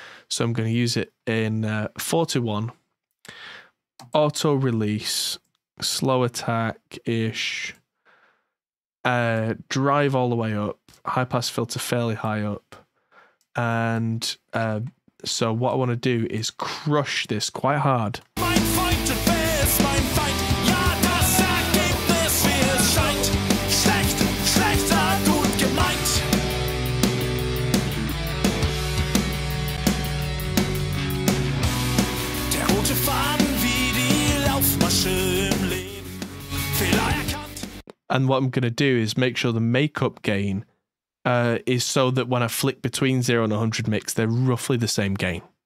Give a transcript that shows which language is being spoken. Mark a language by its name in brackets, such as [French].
[English] So I'm going to use it in 4-to-1, auto release, slow attack-ish, drive all the way up, high pass filter fairly high up, and so what I want to do is crush this quite hard. [German] Mein Feind, ja, das ergibt es, wie es scheint. Schlecht, schlechter, gut gemeint. Der rote Faden wie die Laufmasche im Leben. Vielleicht [English] And what I'm going to do is make sure the makeup gain is so that when I flick between 0 and 100 mix, they're roughly the same gain.